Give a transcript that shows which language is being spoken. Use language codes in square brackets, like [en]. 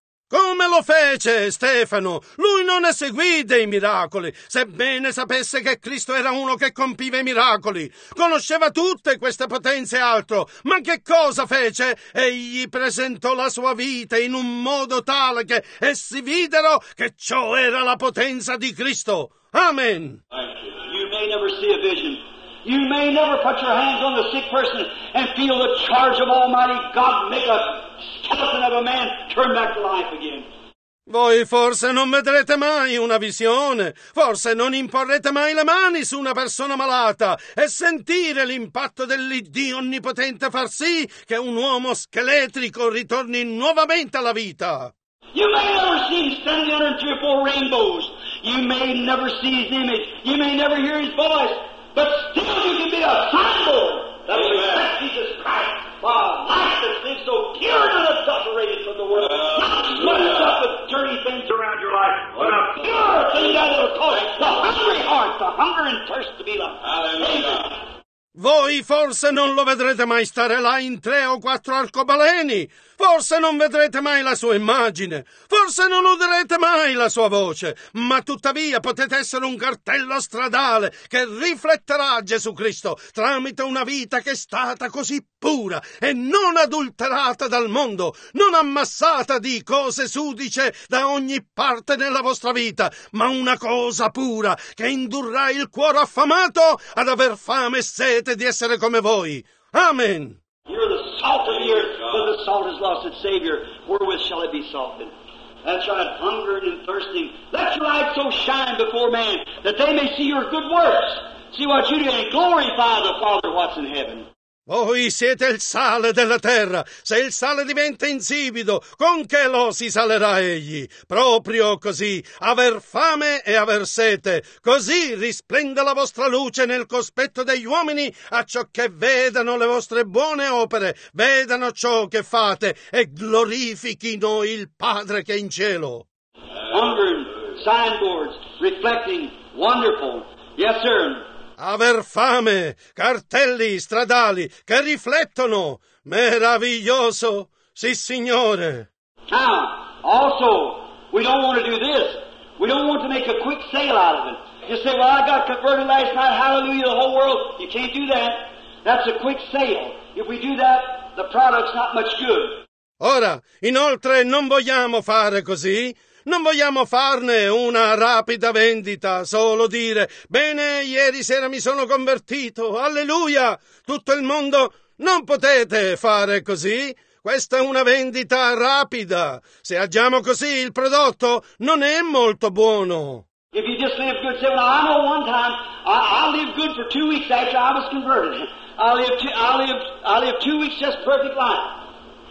[it] Come lo fece Stefano? Lui non eseguì dei miracoli, sebbene sapesse che Cristo era uno che compiva i miracoli. Conosceva tutte queste potenze e altro, ma che cosa fece? Egli presentò la sua vita in un modo tale che essi videro che ciò era la potenza di Cristo. Amen. [en] You may never see a vision. You may never put your hands on the sick person and feel the charge of Almighty God make a skeleton of a man turn back to life again. [it] Voi forse non vedrete mai una visione, forse non imporrete mai le mani su una persona malata e sentire l'impatto dell'Iddio onnipotente far sì che un uomo scheletrico ritorni nuovamente alla vita. [en] You may never see him standing under three or four rainbows. You may never see his image. You may never hear his voice. But still you can be a symbol that reflects Jesus Christ for a life that's been so pure and unadulterated from the world. Not messed up with dirty things around your life, but a pure thing that will cause the hungry heart, the hunger and thirst to be the same. [it] Voi forse non lo vedrete mai stare là in tre o quattro arcobaleni, forse non vedrete mai la sua immagine, forse non udrete mai la sua voce, ma tuttavia potete essere un cartello stradale che rifletterà Gesù Cristo tramite una vita che è stata così pura e non adulterata dal mondo, non ammassata di cose sudice da ogni parte nella vostra vita, ma una cosa pura che indurrà il cuore affamato ad aver fame e sete di essere come voi. Amen. [en] You're the salt of the earth, but the salt has lost its savior. Wherewith shall it be salted? That's right, hungering and thirsting. Let your light so shine before man that they may see your good works. See what you do and glorify the Father what's in heaven. [it] Voi siete il sale della terra. Se il sale diventa insipido, con che lo si salerà egli? Proprio così, aver fame e aver sete. Così risplenda la vostra luce nel cospetto degli uomini, acciò che vedano le vostre buone opere, vedano ciò che fate, e glorifichino il Padre che è in cielo. [en] Hunger, signboards, reflecting, wonderful. Yes, sir. [it] Aver fame, cartelli stradali che riflettono, meraviglioso, sì signore. [en] Now, also, we don't want to do this. We don't want to make a quick sale out of it. You say, well, I got converted last night, hallelujah, the whole world. You can't do that. That's a quick sale. If we do that, the product's not much good. [it] Ora, inoltre, non vogliamo fare così. Non vogliamo farne una rapida vendita, solo dire: bene, ieri sera mi sono convertito, alleluia, tutto il mondo. Non potete fare così. Questa è una vendita rapida. Se agiamo così, il prodotto non è molto buono. [en] If you just live good, say, well, I know one time, I lived good for 2 weeks after I was converted. I lived 2 weeks just perfect life.